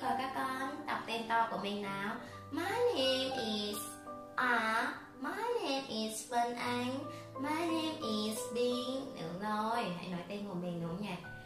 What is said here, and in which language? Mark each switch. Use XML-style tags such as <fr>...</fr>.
<vi>Còn các con đọc tên to của mình nào.</vi> <en>My name is My name is Vân Anh. My name is Bing.</en> <vi>Đúng rồi, hãy nói tên của mình đúng không nhỉ?</vi>